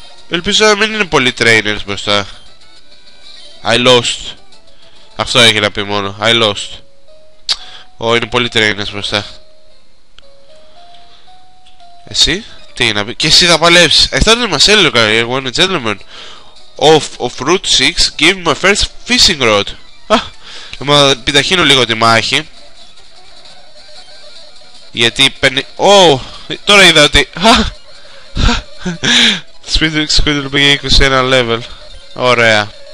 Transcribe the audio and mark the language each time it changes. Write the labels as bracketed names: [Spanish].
[Greek] Ελπίζω να μην είναι πολλοί trainers μπροστά. [English] I lost. [Greek] Αυτό έχει να πει μόνο. [English] I lost. [Greek] Oh, είναι πολλοί trainers μπροστά. Εσύ, τι να πει. Και εσύ θα παλεύσεις. [English] I started my sailor career when a gentleman of Route 6 gave me my first fishing rod. [Greek] Α, θα επιταχύνω λίγο τη μάχη. Γιατί παίρνει... Oh, τώρα είδα ότι... Σπίτριξ Σκούντλ πήγε 21 level. Ωραία.